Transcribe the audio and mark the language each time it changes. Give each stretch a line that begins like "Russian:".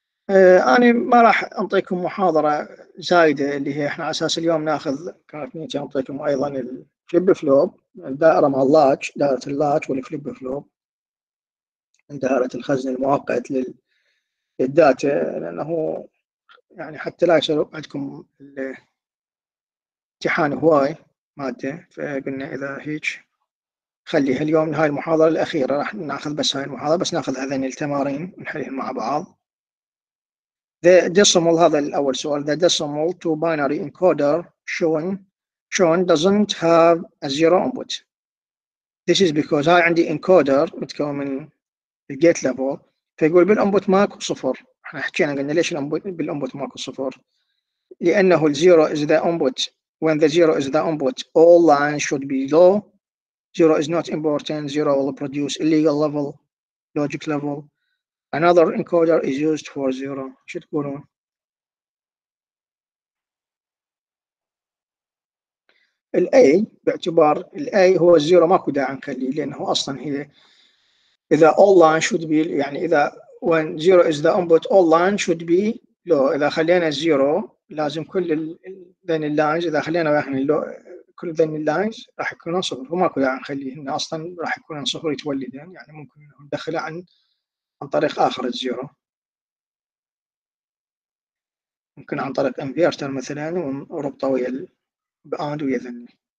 Arabic: أنا ما راح أعطيكم محاضرة زايدة، اللي هي إحنا أساس اليوم نأخذ، كانت نيتي أعطيكم أيضا الفليب فلوب، الدائرة مع اللاج، دائرة اللاج والفليب فلوب، دائرة الخزن المؤقت للداتا، لأنه يعني حتى لا يصير عندكم امتحان هواي مادة، فقلنا إذا هيك خليها اليوم هاي المحاضرة الأخيرة، راح نأخذ بس هاي المحاضرة، بس نأخذ هذين التمارين ونحلهم مع بعض.
English: The decimal,
Arabic: هذا الأول سؤال.
English: The decimal to binary encoder shown doesn't have a zero input. This is because
Arabic: هاي عندي
English: encoder
Arabic: متكون من
English: gate level.
Arabic: فيقول بالانبوت ماكو صفر. احنا حكينا قلنا ليش بالانبوت ماكو صفر؟ لأنه
English: zero is the input. When the zero is the input, all lines should be low. Zero is not important. Zero will produce illegal level, logic level. Another encoder is used for zero.
Arabic: شو تقولون؟ ال A باعتبار ال A هو zero ماكو داعي نخليه، لأنه أصلاً هي إذا
English: all line should be،
Arabic: يعني إذا
English: when zero is the input all line should be low.
Arabic: إذا خلينا zero لازم كل ذن lines، إذا خلينا واحد low كل ذن lines راح يكون صفر، وماكو داعي نخليه إنه أصلاً راح يكون صفر يتولد، يعني ممكن ندخله عن طريق آخر الزيرو، ممكن عن طريق انفيرتر مثلا وربطه ويا الباند ويا ذني.